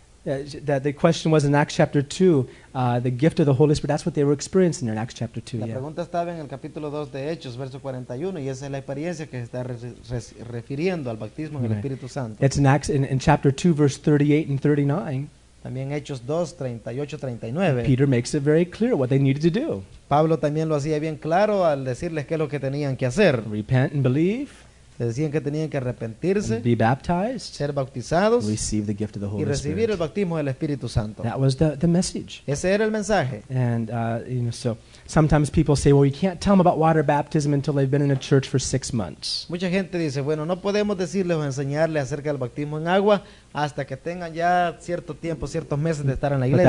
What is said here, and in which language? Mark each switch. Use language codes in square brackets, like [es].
[en] That the question was in Acts chapter 2, the gift of the Holy Spirit, that's what they were experiencing there in Acts chapter 2. [es] La pregunta estaba en el capítulo 2 de Hechos, verso 41, y esa es la experiencia que está refiriendo al bautismo en el Espíritu Santo. [en] It's in Acts, in chapter 2, verse 38 and 39. [es] También Hechos 2, 38, 39. [en] Peter makes it very clear what they needed to do. [es] Pablo también lo hacía bien claro al decirles qué es lo que tenían que hacer. [en] Repent and believe. [es] Decían que tenían que arrepentirse, [en] be baptized, [es] ser bautizados, [en] receive the gift of the Holy [es] y recibir El bautismo del Espíritu Santo. [en] That was the message. [es] Ese era el mensaje. [en] And you know, so sometimes people say, well, you can't tell them about water baptism until they've been in a church for 6 months. [es] Mucha gente dice, bueno, no podemos decirles o enseñarles acerca del bautismo en agua hasta que tengan ya cierto tiempo, ciertos meses de estar en la iglesia.